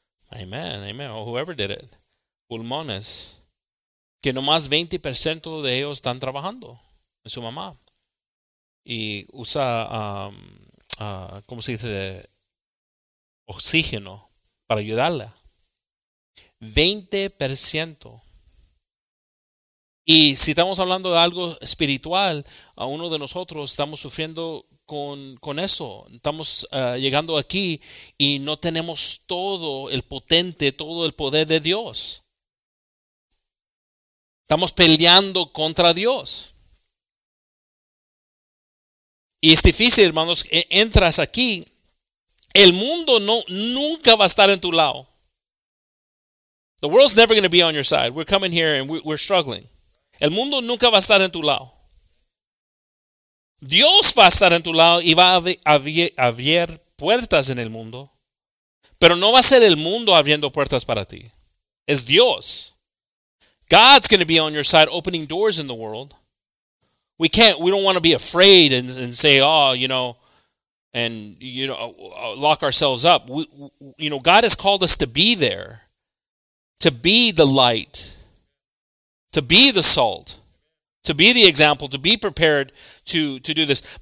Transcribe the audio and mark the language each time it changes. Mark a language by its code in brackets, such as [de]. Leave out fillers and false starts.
[en] Amen, amen, or whoever did it. [es] Pulmones. Que nomás 20% de ellos están trabajando. Su mamá. Y usa, ¿cómo se dice? Oxígeno para ayudarla. 20%. Y si estamos hablando de algo espiritual, a uno de nosotros estamos sufriendo con eso. Estamos llegando aquí y no tenemos todo el potente, todo el poder de Dios. Estamos peleando contra Dios. Y es difícil, hermanos, entras aquí, el mundo nunca va a estar en tu lado. [en] The world's never going to be on your side. We're coming here and we're struggling. [es] El mundo nunca va a estar en tu lado. Dios va a estar en tu lado y va a abrir puertas en el mundo. Pero no va a ser el mundo abriendo puertas para ti. Es Dios. [en] God's going to be on your side opening doors in the world. We don't want to be afraid and say, oh, you know, and, you know, lock ourselves up. We, you know, God has called us to be there, to be the light, to be the salt, to be the example, to be prepared to do this.